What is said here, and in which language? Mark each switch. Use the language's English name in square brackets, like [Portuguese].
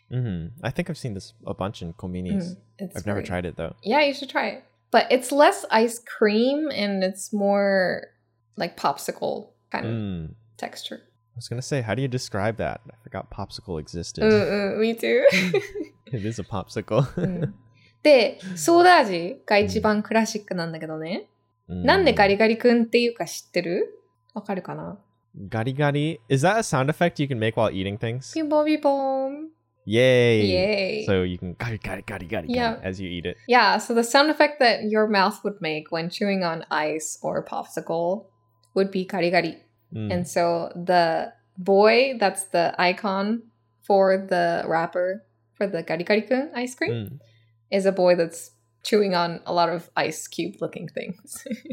[English] Mm-hmm. I think I've seen this a bunch in konbinis. I've never tried it though. Yeah, you should try it. But it's less ice cream and it's more like popsicle kind of texture. I was going to say, how do you describe that? I forgot popsicle existed. Me too. It is a popsicle. [Japanese] で、ソーダ味が一番クラシックなんだけどね。なんでガリガリ君っていうか知ってる？わかるかな？ Gari gari. [English] Is that a sound effect you can make while eating things? Beep-boom, beep-boom. Yay. Yay. So you can gari gari gari gari as you eat it. Yeah, so the sound effect that your mouth would make when chewing on ice or popsicle would be gari gari. Mm. And so the boy that's the icon for the wrapper for the gari gari-kun ice cream is a boy that's chewing on a lot of ice cube looking things.